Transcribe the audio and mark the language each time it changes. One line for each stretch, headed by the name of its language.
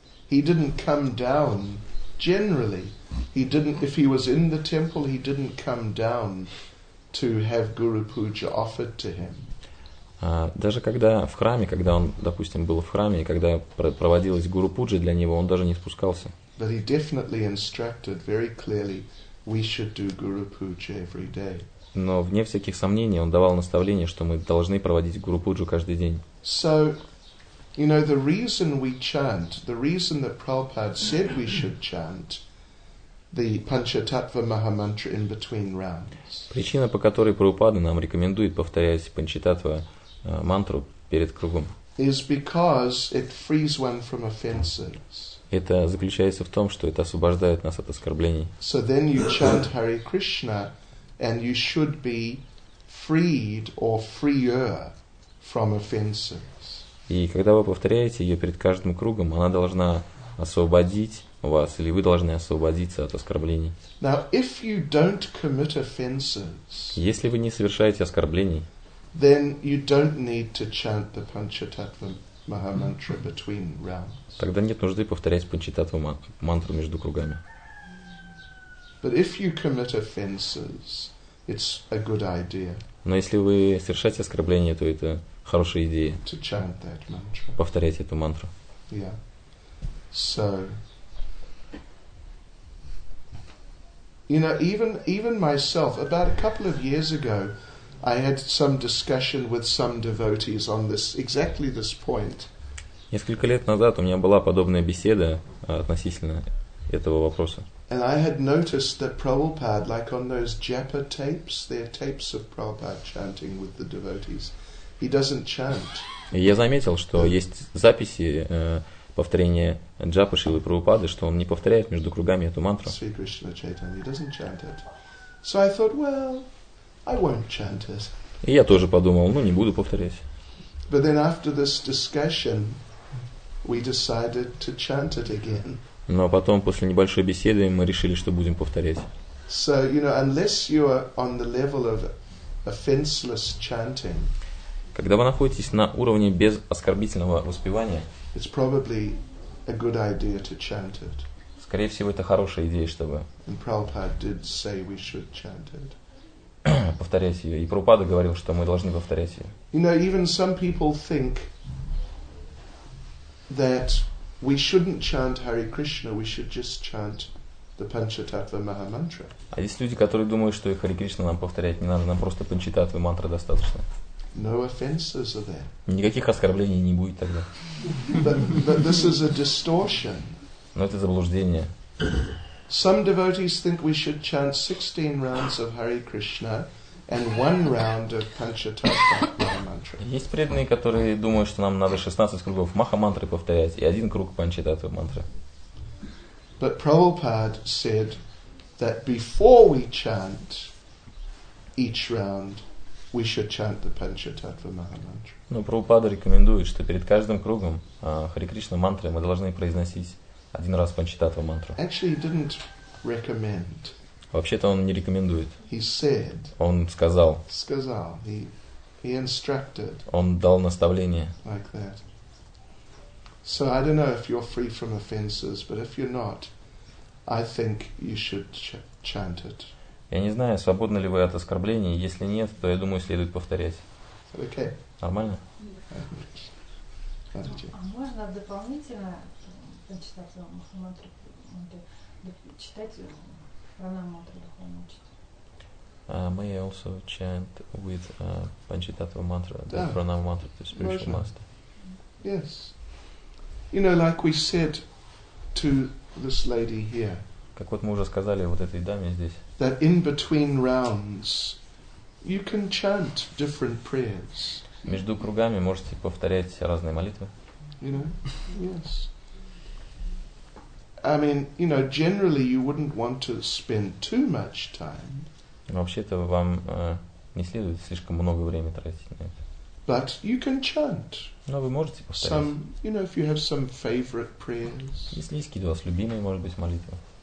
English: He didn't come down generally. He didn't, if he was in the temple, he didn't come down to have Guru Puja offered to him.
Russian: Даже когда в храме, когда он, допустим, был в храме, и когда проводилась Гуру Пуджа для него, он даже не спускался.
English: But he definitely instructed very clearly, we should do Guru Puja every day.
Russian: Но вне всяких сомнений он давал наставление, что мы должны проводить Гуру Пуджу каждый день.
English: So, you know, the reason we chant, the reason that Prabhupada said we should chant the Panchatattva Mahamantra in between rounds.
Russian: Причина, по которой Прабхупада нам рекомендует повторять Панчататва мантру перед кругом.
English: Is because it frees one from offenses.
Russian: Это заключается в том, что это освобождает нас от оскорблений.
English: So then you chant Hare Krishna, and you should be freed or freer from offenses.
Russian: И когда вы повторяете ее перед каждым кругом, она должна освободить вас, или вы должны освободиться от оскорблений.
English: Now, if you don't commit offenses,
Russian: если вы не совершаете оскорблений,
English: then you don't need to chant the Panchatattva Mahamantra between rounds.
Russian: Тогда нет нужды повторять Панчататва мантру между кругами.
English: But if you commit offenses, it's a good idea.
Russian: Но если вы совершаете оскорбление, то это хорошая идея.
English: To chant that mantra.
Russian: Повторять эту мантру.
English: Yeah. So, you know, even myself, about a couple of years ago, I had some discussion with some devotees on this, exactly this point.
Russian: Несколько лет назад у меня была подобная беседа относительно этого вопроса.
English: And I had noticed that Prabhupada, like on those japa tapes, there are tapes of Prabhupada chanting with the devotees, he doesn't chant.
Russian: Я заметил, что есть записи повторение джапы Шрилы Прабхупады, что он не повторяет между кругами эту мантру.
English: Sri Krishna Chaitanya doesn't chant it. So I thought, well, I won't chant it.
Russian: И я тоже подумал, ну не буду повторять.
English: But then after this discussion, we decided to chant it again.
Russian: Но потом, после небольшой беседы, мы решили, что будем повторять.
English: So, you know, unless you are on the level of offenseless chanting,
Russian: когда вы находитесь на уровне без оскорбительного воспевания,
English: it's probably a good idea to chant it.
Russian: Скорее всего, это хорошая идея, чтобы
English: and Prabhupada did say we should chant it.
Russian: повторять ее. И Прабхупада говорил, что мы должны повторять ее.
English: You know, even some people think that we shouldn't chant Hare Krishna, we should just chant the Panchatattva Mahamantra.
Russian: А есть люди, которые думают, что и Харе Кришна нам повторять не надо, нам просто Панчататва мантра достаточно.
English: No offenses are there.
Russian: Никаких оскорблений не будет тогда.
English: But this is a distortion.
Russian: Но это заблуждение.
English: Some devotees think we should chant 16 rounds of Hare Krishna and one round of Panchatattva Mahamantra.
Russian: Есть преданные, которые думают, что нам надо 16 кругов Махамантры повторять и один круг Панчататва Мантры.
English: But Prabhupada said that before we chant each round, we should chant the Panchatattva Mahamantra.
Russian: Ну, Прабхупада рекомендует, что перед каждым кругом Хари Кришна мантры мы должны произносить один раз Панчататва мантру.
English: Actually, he didn't recommend.
Russian: Вообще-то он не рекомендует.
English: He said.
Russian: Он сказал. Сказал.
English: He instructed.
Russian: Он дал наставление.
English: Like that. So I don't know if you're free from offenses, but if you're not, I think you should chant it.
Russian: Я не знаю, свободны ли вы от оскорблений. Если нет, то я думаю, следует повторять.
English: Okay.
Russian: Нормально? А можно дополнительно почитать Махамантру, читать Пранамантру духовно учить?
English: May I also chant with Panchatattva Mantra, the Pranamantra, the spiritual master? Yes. You know, like we said to this lady here.
Russian: Как вот мы уже сказали вот этой даме здесь.
English: That in between rounds you can chant different prayers.
Russian: Между кругами можете повторять разные молитвы.
English: You know? Yes. I mean, you know, generally you wouldn't want to spend too much time.
Russian: Вообще-то вам не следует слишком много времени тратить на это.
English: But you can chant.
Russian: Но вы можете повторять.
English: Some, you know, if you have some favorite prayers.
Russian: Если есть какие-то у вас любимые, может быть, молитвы.